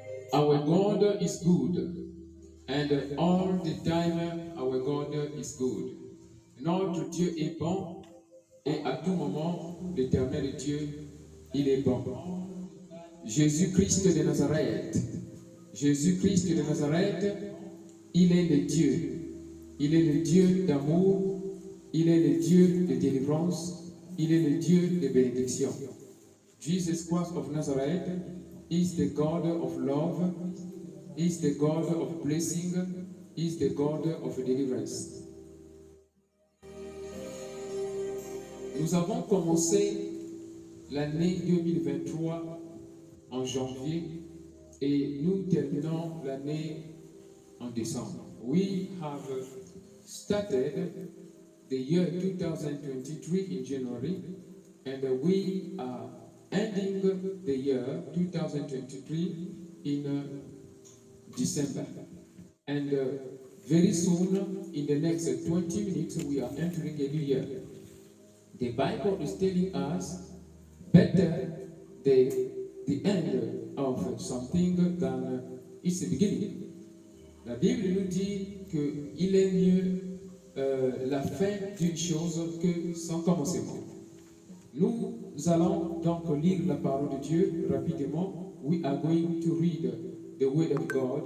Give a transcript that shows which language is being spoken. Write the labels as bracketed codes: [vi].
[en] Our God is good, and all the time our God is good. [fr] Notre Dieu est bon, et à tout moment, l'éternel Dieu, il est bon. Jésus-Christ de Nazareth, Jésus-Christ de Nazareth, il est le Dieu. Il est le Dieu d'amour, il est le Dieu de délivrance, il est le Dieu de bénédiction. [en] Jesus Christ of Nazareth, is the God of love, is the God of blessing, is the God of deliverance. [fr] Nous avons commencé l'année 2023 en janvier et nous terminons l'année en décembre. [en] We have started the year 2023 in January and we are ending the year 2023 in December. And very soon, in the next 20 minutes, we are entering a new year. The Bible is telling us better the end of something than its beginning. [fr] La Bible nous dit qu'il est mieux la fin d'une chose que son commencement. Nous allons donc lire la parole de Dieu rapidement. [en] We are going to read the word of God.